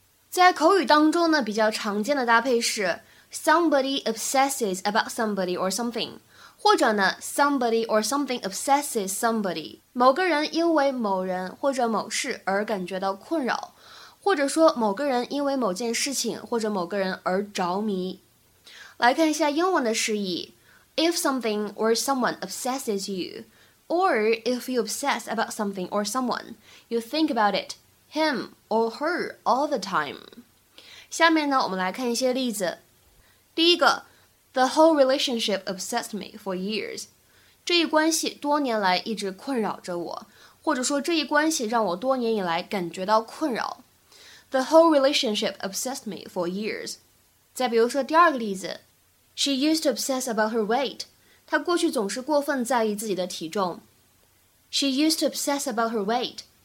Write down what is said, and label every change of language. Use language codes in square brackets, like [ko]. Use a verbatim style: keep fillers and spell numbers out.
[zh] 在口语当中呢，比较常见的搭配是 [en] somebody obsesses about somebody or something， [zh] 或者呢 [en] somebody or something obsesses somebody。 [zh] 某个人因为某人或者某事而感觉到困扰。或者说某个人因为某件事情或者某个人而着迷。来看一下英文的释义 [en] If something or someone obsesses you, or if you obsess about something or someone, you think about it, him or her all the time. [zh] 下面呢，我们来看一些例子。第一个 [en] The whole relationship obsessed me for years. [zh] 这一关系多年来一直困扰着我，或者说这一关系让我多年以来感觉到困扰。 [en] The whole relationship obsessed me for years. [zh] 再比如说第二个例子 [en] She used to obsess about her weight. [zh] 她过去总是过分在意自己的体重 [en] She used to obsess about her weight.